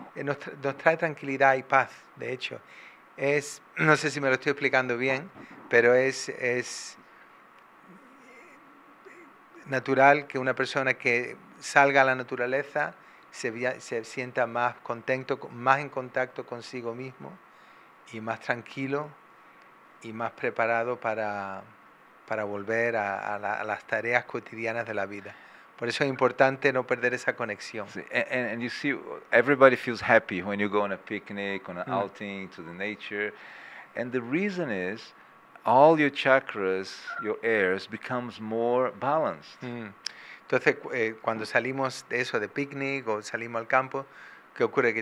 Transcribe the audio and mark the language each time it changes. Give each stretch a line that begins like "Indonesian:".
Spanish: Nos trae tranquilidad y paz, de hecho. No sé si me lo estoy explicando bien, pero es natural que una persona que salga a la naturaleza se sienta más contento, más en contacto consigo mismo y más tranquilo y más preparado para volver a las tareas cotidianas de la vida. Por eso es importante no perder esa conexión.
English: Sí, and you see, everybody feels happy when you go on a picnic, on an outing to the nature. And the reason is all your chakras, your airs, becomes more balanced.
Spanish: Entonces, cuando salimos de eso, de picnic o salimos al campo, ¿qué ocurre?